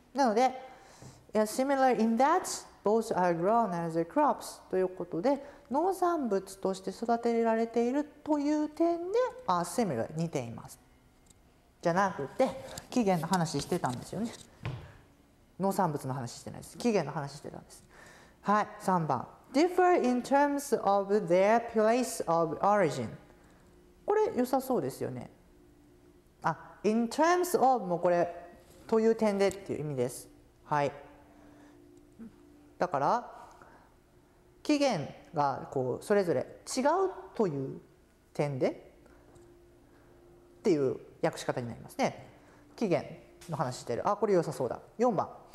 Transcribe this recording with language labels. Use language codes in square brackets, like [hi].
[ja] なので [en] similar in that both are grown as crops [ja] ということで、農産物として育てられているという点で [en] are similar、 [ja] 似ていますじゃなくて、起源の話してたんですよね。農産物の話してないです。起源の話してたんです。はい、3番。 [en] Differ in terms of their place of origin。 [ja] これ良さそうですよね。あ、in terms of もこれという点でっていう意味です。はい。だから起源がこうそれぞれ違うという点でっていう訳し方になりますね。起源の話してる、あ、これ良さそうだ。4番